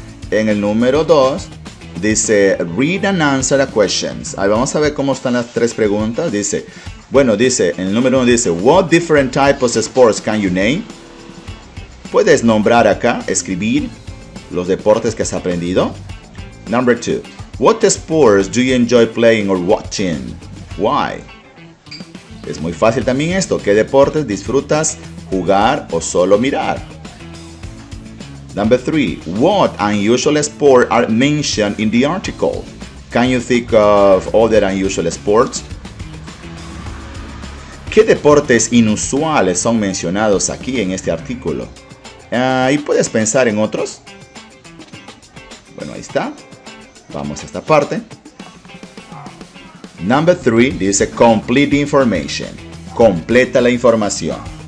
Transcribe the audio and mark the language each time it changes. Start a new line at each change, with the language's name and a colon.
Spanish: En el número 2 dice
English: read and answer the questions.
Spanish: Ahí vamos a ver cómo están las tres preguntas. Dice Bueno, dice, en el número 1 dice,
English: what different types of sports can you name?
Spanish: Puedes nombrar acá, escribir los deportes que has aprendido.
English: Number 2, what sports do you enjoy playing or watching? Why?
Spanish: Es muy fácil también esto, ¿qué deportes disfrutas jugar o solo mirar?
English: Number 3, what unusual sports are mentioned in the article? Can you think of other unusual sports?
Spanish: ¿Qué deportes inusuales son mencionados aquí en este artículo? ¿Y puedes pensar en otros? Bueno, ahí está. Vamos a esta parte.
English: Number 3
Spanish: dice
English: complete information.
Spanish: Completa la información.